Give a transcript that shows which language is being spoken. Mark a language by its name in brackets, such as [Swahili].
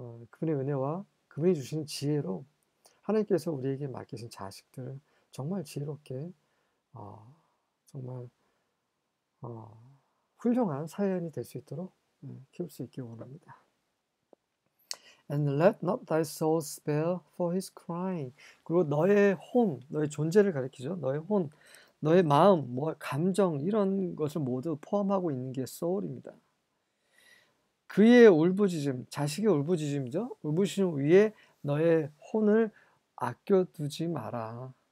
[Korean] 그분의 은혜와 그분이 주시는 지혜로 하나님께서 우리에게 맡기신 자식들을 정말 지혜롭게 정말 훌륭한 사회인이 될수 있도록 키울 수 있기 원합니다. [English] And let not thy soul spare for his crying. [Korean] 그리고 너의 혼, 너의 존재를 가리키죠. 너의 혼, 너의 마음, 뭐 감정 이런 것을 모두 포함하고 있는 게 soul입니다. 그의 울부짖음, 자식의 울부짖음이죠. 울부짖음 위에 너의 혼을 아껴두지 마라.